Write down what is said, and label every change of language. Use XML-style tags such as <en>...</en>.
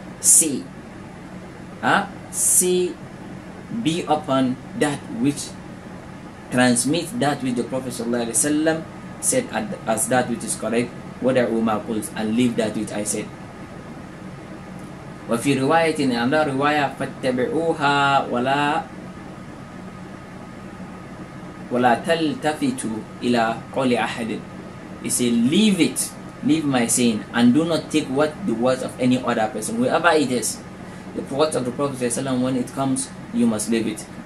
<en>See, be upon that which transmits that which the Prophet</en> <ar>صلى الله عليه وسلم</ar> <en>said as that which is correct.</en> <ar>ودعوا ما قلت,</ar> <en>and leave that which I said.</en> <ar>وفي رواية أن رواية فاتبعوها ولا تلتفتوا إلى قول أحد.</ar> <en>He said, leave it, leave my saying, and do not take what the words of any other person, whoever it is. The words of the Prophet ﷺ, when it comes, you must leave it.</en>